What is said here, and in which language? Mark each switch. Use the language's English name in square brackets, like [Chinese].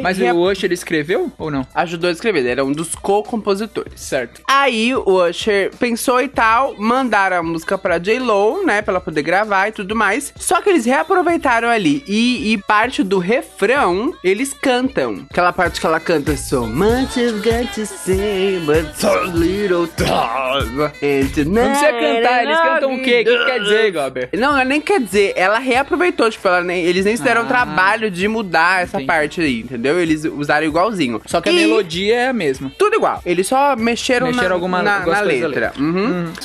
[Portuguese] Mas o Usher escreveu ou não? Ajudou a escrever. Ele era um dos co-compositores. Certo. Aí o Usher pensou e tal. Mandaram a música pra J-Lo, né? Pra ela poder gravar. E tudo mais. Só que eles reaproveitaram ali. E parte do refrão eles cantam. Aquela parte que ela canta: [English] So much you've got to say, but so little time. [Portuguese] Não precisa cantar, eles cantam o quê? O que quer dizer, Gober? Não, nem quer dizer. Ela reaproveitou. Tipo, eles nem se deram o trabalho de mudar essa parte aí, entendeu? Eles usaram igualzinho. Só que a melodia é a mesma. Tudo igual. Eles só mexeram na letra. Uhum.